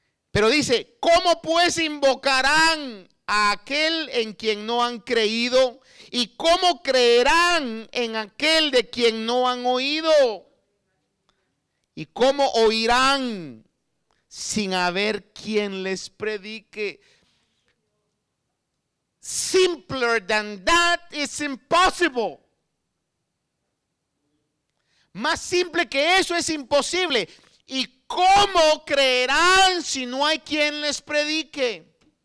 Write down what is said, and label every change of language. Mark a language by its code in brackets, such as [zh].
[es] Pero dice, ¿cómo pues invocarán a aquel en quien no han creído? ¿Y cómo creerán en aquel de quien no han oído? ¿Y cómo oirán sin haber quien les predique? [en] Simpler than that is impossible. [es] Más simple que eso es imposible. ¿Y cómo creerán si no hay quien les predique?